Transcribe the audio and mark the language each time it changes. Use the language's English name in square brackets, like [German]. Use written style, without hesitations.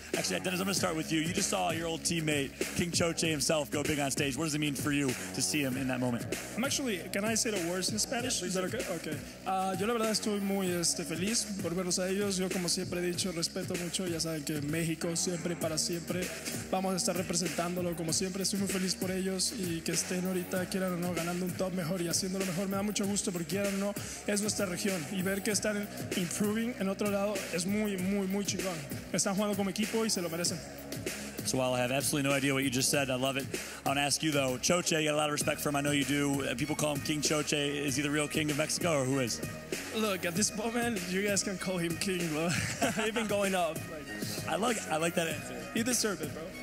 [English] Actually, Dennis, I'm going to start with you. You just saw your old teammate, King Choche himself, go big on stage. What does it mean for you to see him in that moment? I'm actually, can I say the words in Spanish? Yeah, is that okay? Okay. [Spanish] Yo la verdad estoy muy feliz por verlos a ellos. Yo como siempre he dicho, respeto mucho. Ya saben que México siempre para siempre. Vamos a estar representándolo como siempre. Estoy muy feliz por ellos y que estén ahorita, quieran o no, ganando un top mejor y haciéndolo mejor. Me da mucho gusto porque quieran o no, es nuestra región. Y ver que están improving en otro lado es muy, muy, muy chingón. Están jugando como equipo y se lo merecen. [English] So while I have absolutely no idea what you just said, I love it. I want to ask you though, Choche, you got a lot of respect for him. I know you do. People call him King Choche. Is he the real king of Mexico or who is? Look, at this moment, you guys can call him king, bro. Even going up. I like that answer. You deserve it, bro.